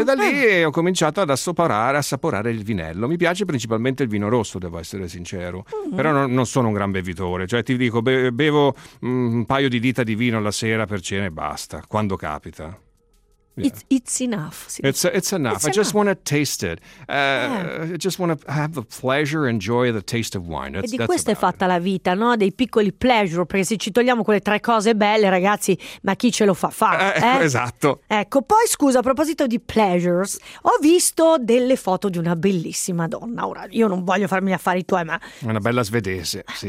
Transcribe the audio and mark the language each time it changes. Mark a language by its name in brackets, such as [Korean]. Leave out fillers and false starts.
[Italian] E da lì ho cominciato ad assaporare il vinello. Mi piace principalmente il vino rosso, devo essere sincero. Mm-hmm. Però non sono un gran bevitore. Cioè ti dico, bevo un paio di dita di vino alla sera per cena e basta, quando capita. [English] Yeah. It's enough. I just want to taste it. I just want to have the pleasure and joy of the taste of wine. [Italian] E di questo è fatta la vita, no? Dei piccoli pleasure, perché se ci togliamo quelle tre cose belle, ragazzi, ma chi ce lo fa fare? Esatto. Ecco, poi scusa, a proposito di pleasures, ho visto delle foto di una bellissima donna. Ora, io non voglio farmi gli affari tuoi, ma... Una bella svedese, sì.